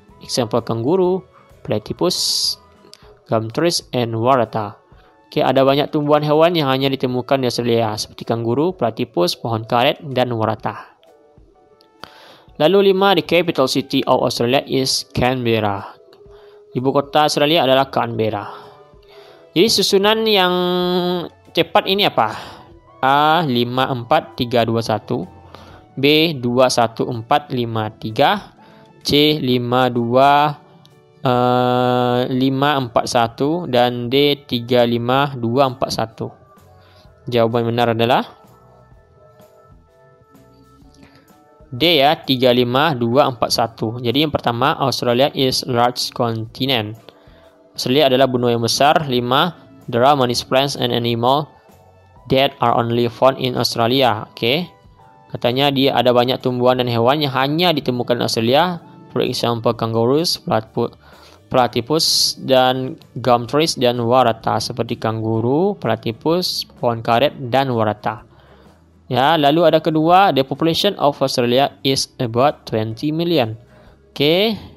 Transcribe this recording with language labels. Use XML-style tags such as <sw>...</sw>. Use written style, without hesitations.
<en>Example kanguru, platypus, gum trees, and warata.</en> <id>Okay, ada banyak tumbuhan hewan yang hanya ditemukan di Australia, seperti kanguru, platypus, pohon karet, dan warata. Lalu 5,</id> <en>the capital city of Australia is Canberra.</en> <id>Ibu kota Australia adalah Canberra. Jadi susunan yang cepat ini apa? A, 5, 4, 3, 2, 1. B, 2, 1, 4, 5, 3. C, 5, 2, 5, 4, 1. Dan D, 3, 5, 2, 4, 1. Jawaban benar adalah D ya, 3, 5, 2, 4, 1. Jadi yang pertama,</id> <en>Australia is large continent.</en> <id>Australia adalah benua yang besar.</id> <en>5, there are many plants and animals that are only found in Australia. Okay.</en> <id>Katanya dia ada banyak tumbuhan dan hewan yang hanya ditemukan di Australia.</id> <en>For example, kangurus, platypus, dan gum trees, dan warata.</en> <id>Seperti kanguru, platypus, pohon karet, dan warata. Ya, lalu ada kedua,</id> <en>the population of Australia is about 20 million. Okay.</en>